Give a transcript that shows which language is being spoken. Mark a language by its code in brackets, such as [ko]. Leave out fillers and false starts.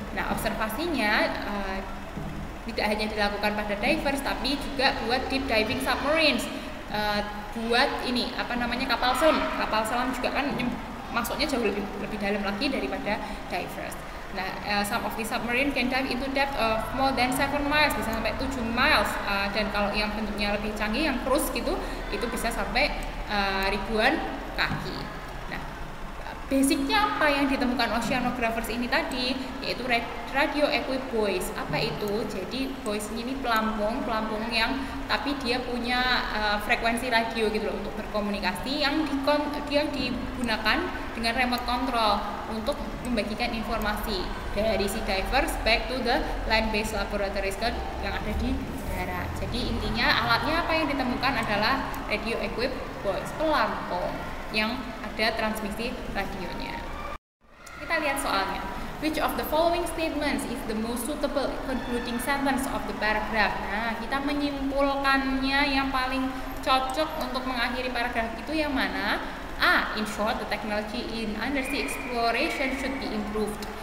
[id] Nah, observasinya tidak hanya dilakukan pada divers tapi juga buat deep diving submarines, buat ini apa namanya kapal selam. Kapal selam juga kan masuknya jauh lebih dalam lagi daripada divers. [en] Nah, some of the submarine can dive into depth of more than 7 miles, [id] bisa sampai 7 miles. Dan kalau yang bentuknya lebih canggih, yang cruise gitu, itu bisa sampai ribuan kaki. Nah, basicnya apa yang ditemukan oceanographers ini tadi? Yaitu radio equipoise. Apa itu? Jadi, voice ini pelampung yang, tapi dia punya frekuensi radio gitu loh, untuk berkomunikasi, yang digunakan dengan remote control untuk membagikan informasi dari si divers [en] back to the land-based laboratories [id] yang ada di darat. Jadi intinya alatnya apa yang ditemukan adalah radio equipped voice, pelampung yang ada transmisi radionya. Kita lihat soalnya. [en] Which of the following statements is the most suitable concluding sentence of the paragraph? [id] Nah, kita menyimpulkannya yang paling cocok untuk mengakhiri paragraf itu yang mana? [en] A. In short, the technology in undersea exploration should be improved.